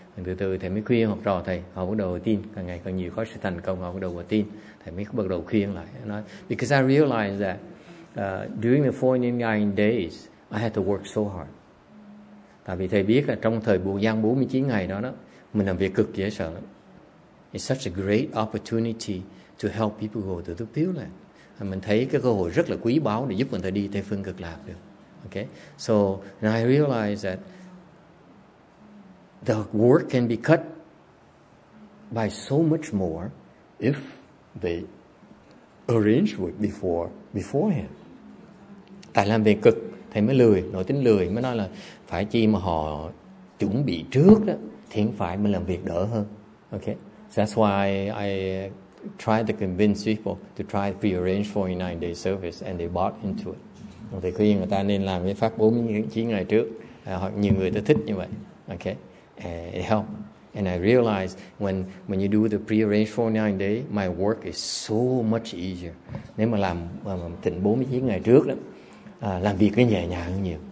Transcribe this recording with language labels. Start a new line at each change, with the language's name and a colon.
Vietnamese: Từ từ thầy mới khuyên học trò thầy, họ bắt đầu tin, càng ngày càng nhiều có sự thành công, họ bắt đầu tin, thầy mới bắt đầu khuyên lại. Nói,
English: because I realized that during the 49 days, I had to work so hard.
Vietnamese: Tại vì thầy biết là trong thời buồn gian 49 ngày đó, mình làm việc cực dễ sợ.
English: It's such a great opportunity to help people go to the Pure Land.
Vietnamese: Mình thấy cái cơ hội rất là quý báu để giúp người ta đi Tây Phương Cực Lạc được.
English: Okay? So, and I realized that the work can be cut by so much more if they arrange it beforehand.
Vietnamese: Tại làm việc cực, thầy mới lười, nội tính lười, mới nói là phải chi mà họ chuẩn bị trước đó, thì phải mình làm việc đỡ hơn.
English: Okay? So that's why I tried to convince people to try pre-arrange 49-day service and they bought into it.
Vietnamese: Thầy khuyên người ta nên làm cái pháp 49 ngày trước, hoặc nhiều người ta thích như vậy.
English: Okay? It helped. And I realized when you do the prearranged 49 day, my work is so much easier.
Vietnamese: Nếu mà làm tịnh 49 ngày trước đó, làm việc nó nhẹ nhàng hơn nhiều.